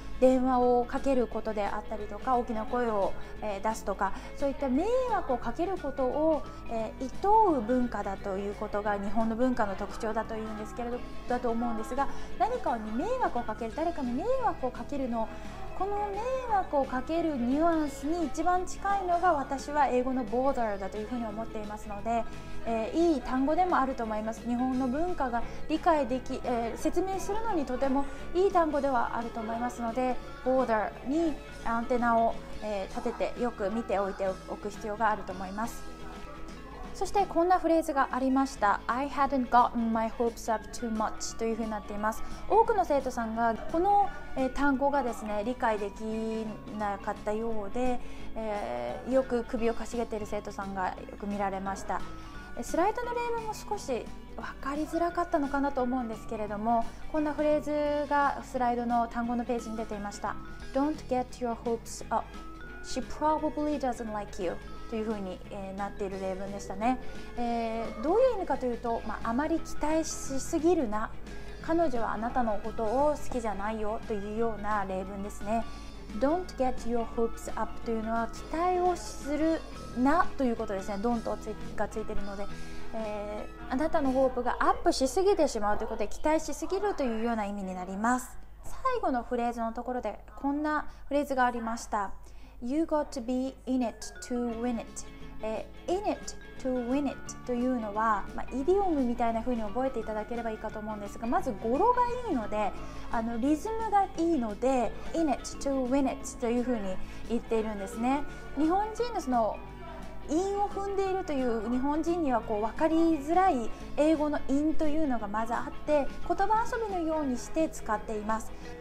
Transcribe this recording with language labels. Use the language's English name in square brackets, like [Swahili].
[Japanese] 電話をかけることであったりとか大きな声を出すとか、そういった迷惑をかけることを厭う文化だということが日本の文化の特徴だというんですけれど、だと思うんですが、何かに迷惑をかける、誰かに迷惑をかけるの、この迷惑をかけるニュアンスに一番近いのが私は英語の border だというふうに思っていますので、いい単語でもあると思います。日本の文化が理解でき、説明するのにとてもいい単語ではあると思いますので、 border にアンテナを、立ててよく見ておいておく必要があると思います。そしてこんなフレーズがありました。 [English] I hadn't gotten my hopes up too much [Japanese] というふうになっています。多くの生徒さんがこの単語がですね理解できなかったようで、よく首をかしげている生徒さんがよく見られました。スライドの例文も少し分かりづらかったのかなと思うんですけれども、こんなフレーズがスライドの単語のページに出ていました。 [English] Don't get your hopes up. She probably doesn't like you [Japanese] というふうに、なっている例文でしたね。どういう意味かというと、あまり期待しすぎるな、彼女はあなたのことを好きじゃないよというような例文ですね。 Don't get your hopes up というのは期待をするなということですね。 Don't がついているので、あなたのホープがアップしすぎてしまうということで、期待しすぎるというような意味になります。最後のフレーズのところでこんなフレーズがありました。 [English] You got to be in it to win it. In it to win it [Japanese] というのは、イディオムみたいな風に覚えていただければいいかと思うんですが、まず語呂がいいので、リズムがいいので [English] In it to win it [Japanese] という風に言っているんですね。日本人のその韻を踏んでいるという、日本人にはこう分かりづらい英語の韻というのがまずあって、言葉遊びのようにして使っています。